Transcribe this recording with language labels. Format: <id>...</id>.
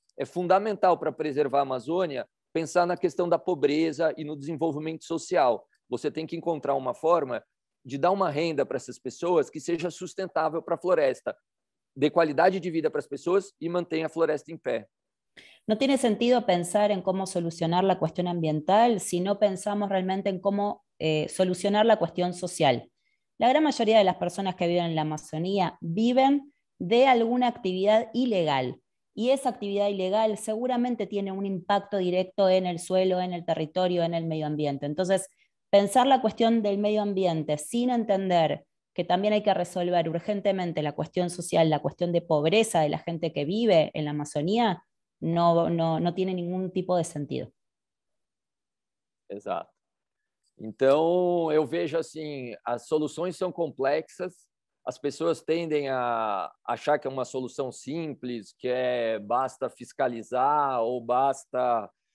<pt>É fundamental para preservar a Amazônia pensar na questão da pobreza e no desenvolvimento social. Você tem que encontrar uma forma de dar uma renda para essas pessoas que seja sustentável para a floresta, dê qualidade de vida para as pessoas e mantenha a floresta em pé.</pt> <es>No tiene sentido pensar en cómo solucionar la cuestión ambiental si no pensamos realmente en cómo solucionar la cuestión social. La gran mayoría de las personas que viven en la Amazonía viven de alguna actividad ilegal, y esa actividad ilegal seguramente tiene un impacto directo en el suelo, en el territorio, en el medio ambiente. Entonces, pensar la cuestión del medio ambiente sin entender que también hay que resolver urgentemente la cuestión social, la cuestión de pobreza de la gente que vive en la Amazonía, no tiene ningún tipo de sentido. Exacto. Entonces, yo veo así, las soluciones son complejas, las personas tienden a achar que es una solución simple, que es basta fiscalizar o basta</es>